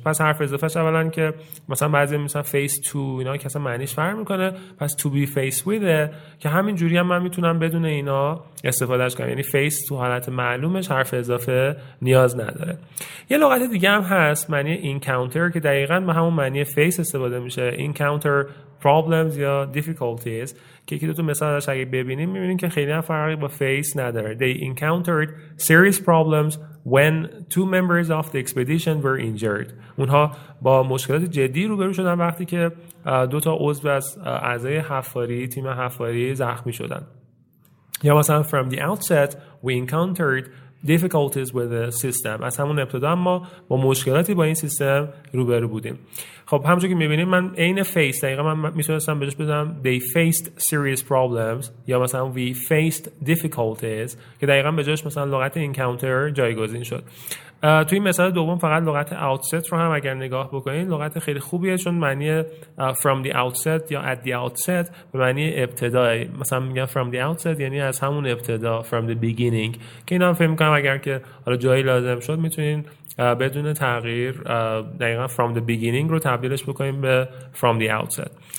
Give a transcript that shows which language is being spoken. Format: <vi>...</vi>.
<fa>پس حرف اضافهش اولا که مثلا بعضی میسن face to، اینا که اصلا معنیش فرق میکنه، پس to be faced with که همین جوری هم من میتونم بدون اینا استفادهش کنم، یعنی face تو حالت معلومش حرف اضافه نیاز نداره. یه لغت دیگه هم هست معنی encounter که دقیقا به همون معنی face استفاده میشه، encounter problems یا difficulties که یکی دو تا مثال ازش اگه ببینیم میبینیم که خیلی هم فرقی با face نداره.</fa> <en>They encountered serious problems when two members of the expedition were injured.</en> <fa>اونها با مشکلات جدی روبرو شدن وقتی که دو تا عضو از اعضای حفاری تیم حفاری زخمی شدن.</fa> <en>یا مثلا from the outset we encountered difficulties with the system.</en> <fa>از همون ابتدا ما با مشکلاتی با این سیستم روبرو بودیم. خب همونجوری که می‌بینید من عین face دقیقا من میتونستم بهش بزنم</fa> <en>they faced serious problems</en> <fa>یا مثلا</fa> <en>we faced difficulties</en> <fa>که دقیقا به جاش مثلا لغت encounter جایگزین شد. توی این مثال دوم فقط لغت outset رو هم اگر نگاه بکنید لغت خیلی خوبیه، چون معنی from the outset یا at the outset به معنی ابتدا، مثلا میگم from the outset یعنی از همون ابتدا، from the beginning، که اینا هم فهم می‌کنم اگر که حالا جایی لازم شد میتونین بدون تغییر دقیقا from the beginning رو تبدیلش بکنیم به from the outset.</fa>